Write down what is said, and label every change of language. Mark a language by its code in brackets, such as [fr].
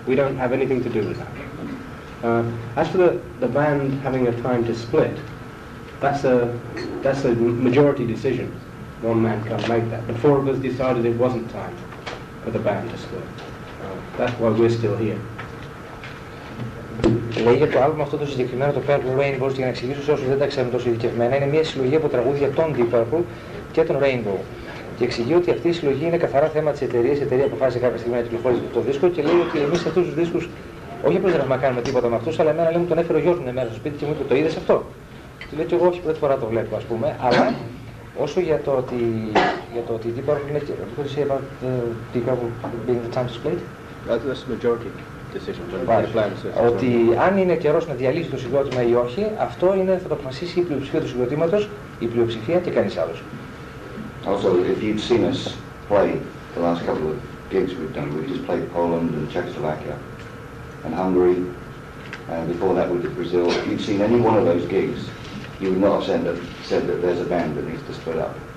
[en] We don't have anything to do with that. As for the band having a time to split, that's a majority decision. One man can't make that. The four of us decided it wasn't time for the band to split. That's why we're still here. [el] Λέει για το άλμπουμ αυτό το συγκεκριμένο, το Purple Rainbows, για να εξηγήσω σε όσους δεν τα ξέρουν τόσο ειδικευμένα, είναι μια συλλογή από τραγούδια των Deep Purple και των Rainbow. Και εξηγεί ότι αυτή η συλλογή είναι καθαρά θέμα της εταιρείας. Η εταιρεία αποφάσισε κάποια στιγμή να κυκλοφορήσει το δίσκο και λέει ότι εμείς αυτούς τους δίσκους όχι απλώς δεν έχουμε να κάνουμε τίποτα με αυτούς, αλλά εμένα λέει μου τον έφερε ο γιος μου μέσα στο σπίτι και μου είπε το είδες αυτό. Του λέει και εγώ όχι πρώτη φορά το βλέπω, ας πούμε, αλλά όσο για το ότι Deep Purple είναι και... [en] What did you say about Deep Purple being the time to split? That's the majority decision. Right. [el] Ότι αν είναι καιρός να διαλύσει το συγκρότημα ή όχι, αυτό είναι, θα το αποφασίσει η πλειοψηφία του συγκροτήματος, η πλειοψηφία και κανείς άλλος. [en] Also, if you'd seen us play the last couple of gigs we've done, we've just played Poland and Czechoslovakia and Hungary, and before that we did Brazil, if you'd seen any one of those gigs, you would not have said that there's a band that needs to split up.